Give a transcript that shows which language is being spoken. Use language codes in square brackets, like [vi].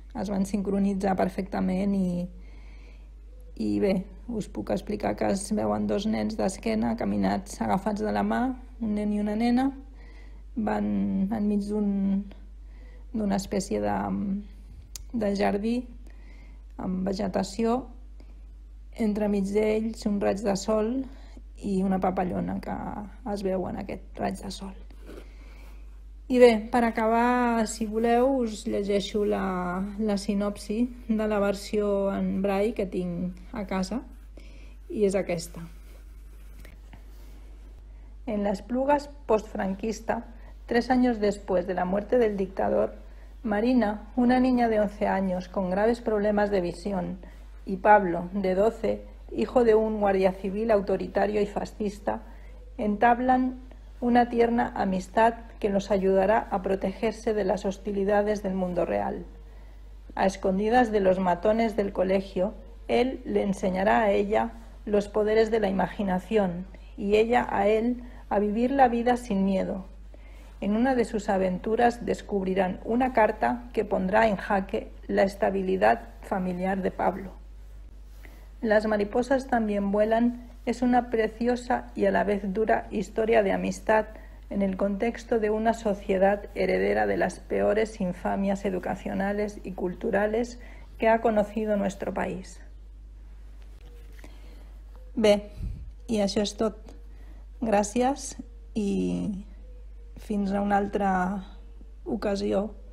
[ca] van sincronitzar perfectament i bé, us puc explicar que es veuen dos nens d'esquena, caminats, agafats de la mà, un nen i una nena, van enmig d'una espècie de jardí amb vegetació, entremig d'ells un raig de sol i una papallona que es veu en aquest raig de sol. I bé, per acabar, si voleu, us llegeixo la sinopsi de la versió en braille que tinc a casa i és aquesta. En l'Espluga postfranquista, 3 anys després de la mort del dictador, [es] Marina, una niña de 11 años con graves problemas de visión, y Pablo, de 12, hijo de un guardia civil autoritario y fascista, entablan una tierna amistad que los ayudará a protegerse de las hostilidades del mundo real. A escondidas de los matones del colegio, él le enseñará a ella los poderes de la imaginación y ella a él a vivir la vida sin miedo. En una de sus aventuras descubrirán una carta que pondrá en jaque la estabilidad familiar de Pablo. Las mariposas también vuelan es una preciosa y a la vez dura historia de amistad en el contexto de una sociedad heredera de las peores infamias educacionales y culturales que ha conocido nuestro país. [ca] Bé, i això és tot. Gràcies i fins a una altra ocasió.